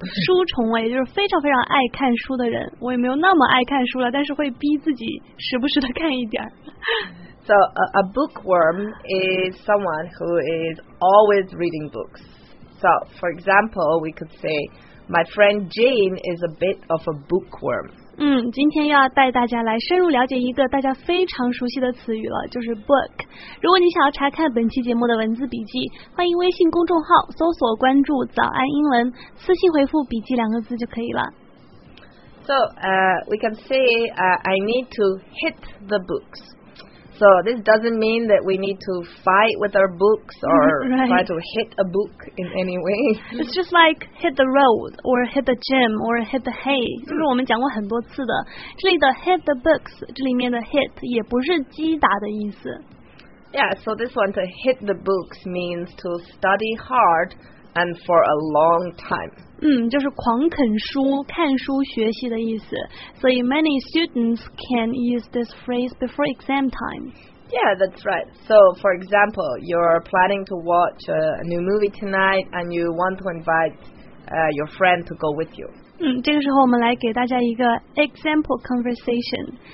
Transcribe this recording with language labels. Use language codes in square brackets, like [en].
[zh] 书虫我也就是非常非常爱看书的人。我也没有那么爱看书了，但是会逼自己时不时的看一点。 [en] So, a bookworm is someone who is always reading books. So, for example, we could say, my friend Jane is a bit of a bookworm. [zh] 今天要带大家来深入了解一个大家非常熟悉的词语了，就是 book。如果你想要查看本期节目的文字笔记，欢迎微信公众号搜索关注早安英文，私信回复笔记两个字就可以了。 [en] So, we can say, I need to hit the books. So, this doesn't mean that we need to fight with our books or try to hit a book in any way. It's just like hit the road, or hit the gym, or hit the hay. [zh] 就是我们讲过很多次的。这里的 [en] hit the books, [zh] 这里面的 hit, 也不是击打的意思。 [en] Yeah, so this one, to hit the books, means to study hard and for a long time. [zh] 就是狂啃书、看书、学习的意思。 [en] So many students can use this phrase before exam time. Yeah, that's right. So, for example, you're planning to watch a new movie tonight and you want to invite, your friend to go with you. [zh] 这个时候我们来给大家一个 [en] example conversation.